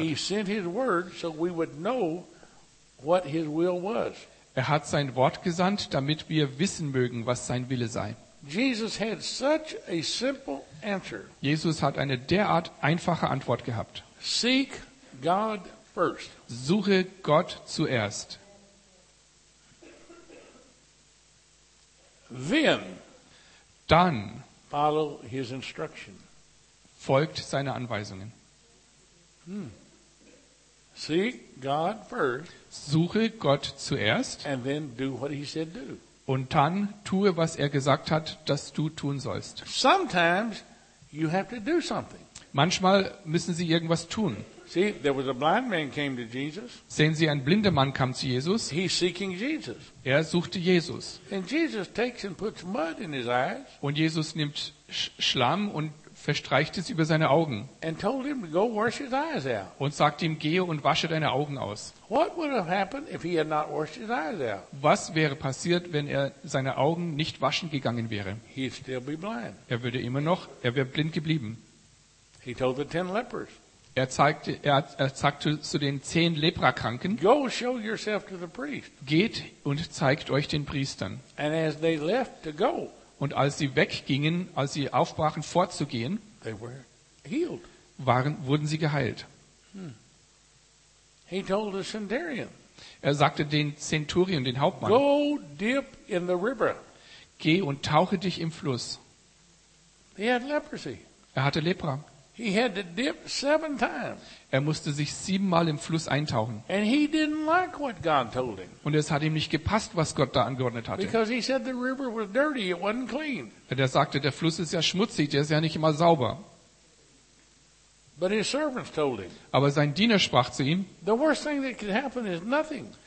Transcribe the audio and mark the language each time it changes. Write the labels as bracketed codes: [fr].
[en] He sent his word so we would know what his will was. [de] Er hat sein Wort gesandt, damit wir wissen mögen, was sein Wille sei. [en] Jesus had such a simple answer. [de] Jesus hat eine derart einfache Antwort gehabt. [en] Seek God first. [de] Suche Gott zuerst. [en] Then, [de] dann [en] follow his instruction. [de] Folgt seine Anweisungen. [en] Seek God first. [de] Suche Gott zuerst. [en] And then do what he said do. [de] Und dann tue, was er gesagt hat, dass du tun sollst. [en] Sometimes you have to do something. [de] Manchmal müssen Sie irgendwas tun. [en] See, there was a blind man came to Jesus. [de] Sehen Sie, ein blinder Mann kam zu Jesus. [en] He's seeking Jesus. [de] Er suchte Jesus. [en] And Jesus takes and puts mud in his eyes. [de] Und Jesus nimmt Schlamm und verstreicht es über seine Augen. [en] And told him to go wash his eyes out. [de] Und sagt ihm, gehe und wasche deine Augen aus. [en] What would have happened if he had not washed his eyes out? [de] Was wäre passiert, wenn er seine Augen nicht waschen gegangen wäre? [en] He'd still be blind. [de] Er wäre blind geblieben. [en] He told the 10 lepers. [de] Er sagte zu den 10 Leprakranken, [en] go show yourself to the priest. [de] Geht und zeigt euch den Priestern. [en] And as they left to go, [de] und als sie weggingen, als sie aufbrachen, fortzugehen, [en] they were healed. [de] Wurden sie geheilt. [en] He told the centurion, [de] er sagte den Zenturion, den Hauptmann, [en] go dip in the river. [de] Geh und tauche dich im Fluss. [en] He had leprosy. [de] Er hatte Lepra. [en] He had to dip 7 times. [de] Er musste sich 7-mal im Fluss eintauchen. [en] And he didn't like what God told him. [de] Und es hat ihm nicht gepasst, was Gott da angeordnet hatte. [en] Because he said the river was dirty, it wasn't clean. [de] Denn er sagte, der Fluss ist ja schmutzig, der ist ja nicht immer sauber. [en] But his servants told him, [de] aber sein Diener sprach zu ihm, [en] the worst thing that could happen is nothing.